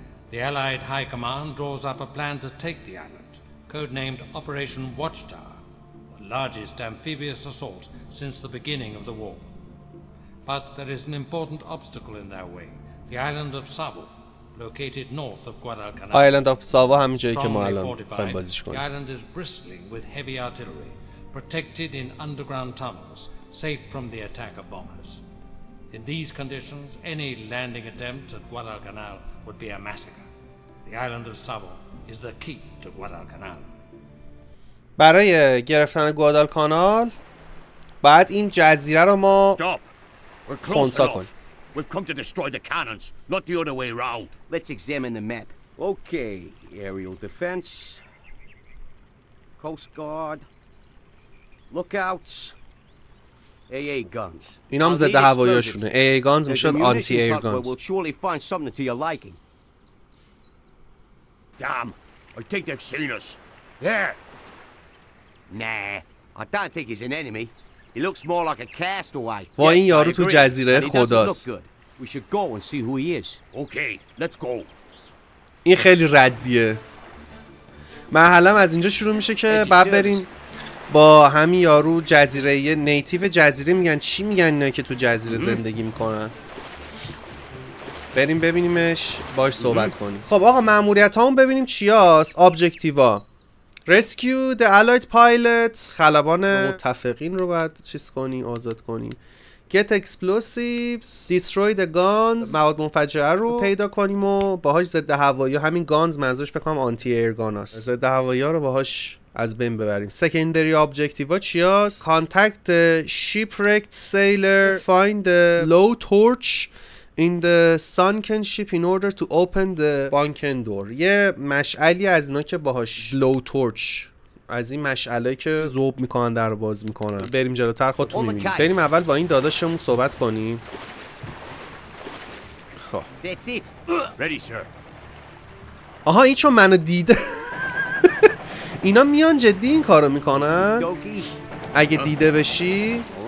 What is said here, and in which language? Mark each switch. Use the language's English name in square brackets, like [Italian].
[English] The Allied High Command draws up a plan to take the island, codenamed Operation Watchtower, the largest amphibious assault since the beginning of the war. But there is an important obstacle in their way, the island of Savo, located north of Guadalcanal. [Persian] Island of Savo, همینجایی که ما الان خواهیم بازیش کنیم. [English] The island is bristling with heavy artillery, protected in underground tunnels, safe from the attack of bombers. In these conditions, any landing attempt at Guadalcanal would be a massacre. The island of Savo is the key to Guadalcanal. [Persian] برای گرفتن گوادالکانال بعد این جزیره رو ما خونسا کنیم. [English] We've come to destroy the cannons, not the other way around. Let's examine the map. Okay, aerial defense, coast guard, lookouts, AA guns. [Persian] اینا هم زده هوایاشونه. AA guns میشد آنتی ایر گانز. [English] We'll surely find something to your liking. Damn, I think they've seen us. There. Nah, I don't think he's an enemy. He looks more like a castaway. [Persian] و این یارو تو جزیره خداست. [English] We should go and see who he is. Okay, let's go. [Persian] این خیلی ردیه. مرحله از اینجا شروع میشه که بعد بریم با همین یارو جزیره یه نیتیف جزیره میگن چی میگن اینا که تو جزیره زندگی میکنن. بریم ببینیمش باش صحبت کنیم. خب آقا مأموریت هامون ببینیم چی هست. [English] Objective ها Rescue the Allied Pilot. [Persian] خلبان متفقین رو باید چیز کنیم، آزاد کنیم. [English] Get explosives, destroy the guns. [Persian] مواد منفجره رو پیدا کنیم و باهاش ضد هوایی، همین گانز منظورش فکر کنم آنتی ایر گان است، ضد هوایی رو باهاش از بین ببریم. [English] Secondary objective [Persian] ها چی هست؟ [English] Contact the shipwrecked sailor, find the low torch in the sunken ship in order to open the bunken door. [Persian] یه مشعلی از اینا که باهاش low torch، از این مشعله که زوب میکنن در باز میکنن. بریم جلوتر خودتون میبینیم. بریم اول با این داداشمون صحبت کنیم. خب [English] That's it. Ready, sir. [Persian] آها این چون منو دیده اینا میان جدی این کارو میکنن اگه دیده بشی.